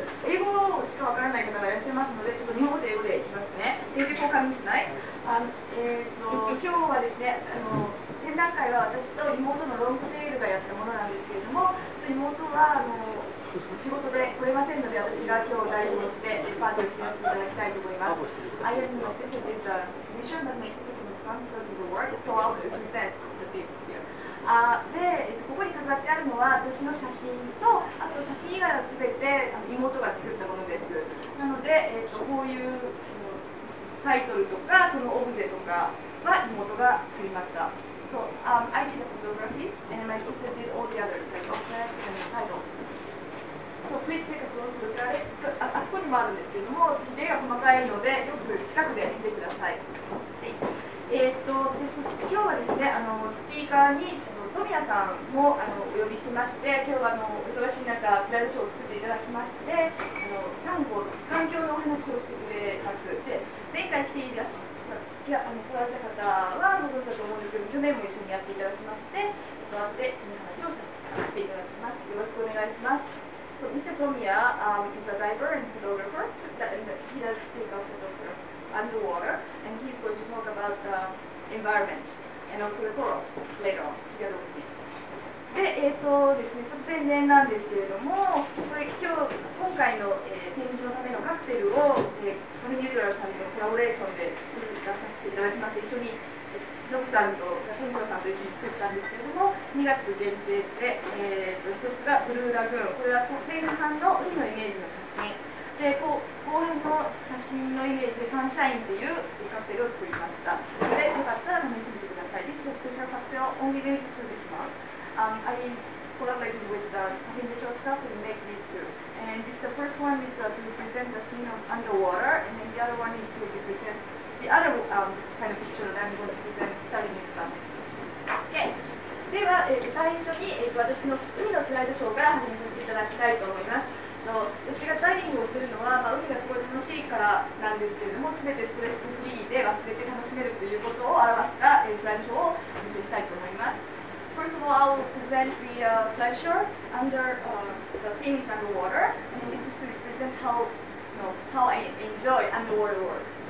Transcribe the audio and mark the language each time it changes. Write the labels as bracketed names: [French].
[Japanese] 英語しかわからない方がいらっしゃいますので、ちょっと日本語と英語でいきますね。英語交換じゃない。今日はですね、展覧会は私と妹のロングテールがやったものなんですけれども、ちょっと妹は仕事で来れませんので、私が今日代表してパーティーしていただきたいと思います。 [English] I am your sister did the exhibition, but my sister can't because of the work, so I'll present the deal. [Japanese] で、ここに飾ってあるのは私の写真と、あと写真以外は全て妹が作ったものです。なので、こういうタイトルとかこのオブジェとかは妹が作りました。 [English] So, I did the photography and my sister did all the others, like objects and titles. So please take a close look at it. [Japanese] あそこにもあるんですけども、絵が細かいのでよく近くで見てください。でそして今日はですね、スピーカーに富谷さんもお呼びしてまして、今日はお忙しい中スライドショーを作っていただきまして、サンゴの環境のお話をしてくれます。で前回来ていらっしゃった来られた方はご存知だと思うんですけど、去年も一緒にやっていただきまして、あとで一緒に話をさせていただきます。よろしくお願いします。 [English] So, Mr. Tomiya, is a diver and photographer. He does take a photograph underwater, and he's going to talk about the environment and also the corals later on together with me. [Japanese] で、ですね、ちょっと宣伝なんですけれども、これ今回の、展示のためのカクテルを、トミニュートラルさんとコラボレーションで出させていただきまして、一緒に、ノブさんと店長さんと一緒に作ったんですけれども、2月限定で、1つがブルーラグーン、これは前半の海のイメージの写真で、後半の写真のイメージでサンシャインというカクテルを作りました。でよかったら試してみてください。 [English] This is a special cocktail only made to this month. I collaborated with the individual staff to make these two. And this, the first one is to represent the scene of underwater, and then the other one is to representThe other kind of picture that I'm going to present starting next time. Okay. [Japanese] では、最初に、私の海のスライドショーから始めさせていただきたいと思います。私がダイビングをするのは、海がすごい楽しいからなんですけれども、全てストレスフリーで忘れて楽しめるということを表した、スライドショーをお見せしたいと思います。 [English] First of all, I will present the slide show under the theme is underwater. And this is to represent how I enjoy underwater world.